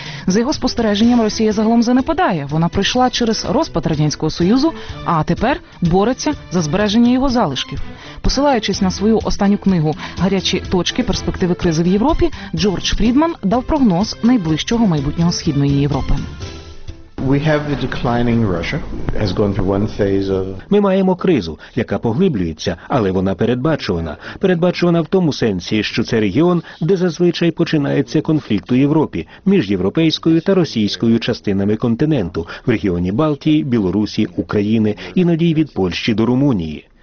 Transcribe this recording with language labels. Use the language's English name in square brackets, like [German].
[Ukrainian] За його спостереженням, Росія загалом занепадає. Вона пройшла через розпад Радянського Союзу, а тепер бореться за збереження його залишків. Посилаючись на свою останню книгу «Гарячі точки. Перспективи кризи в Європі», Джордж Фрідман дав прогноз найближчого майбутнього Східної Європи. [English] We have the declining Russia has gone through one phase of. [Ukrainian] Ми маємо кризу, яка поглиблюється, але вона передбачувана. Передбачувана в тому сенсі, що це регіон, де зазвичай починається конфлікт у Європі між європейською та російською частинами континенту в регіоні Балтії, Білорусі, України, іноді від Польщі до Румунії.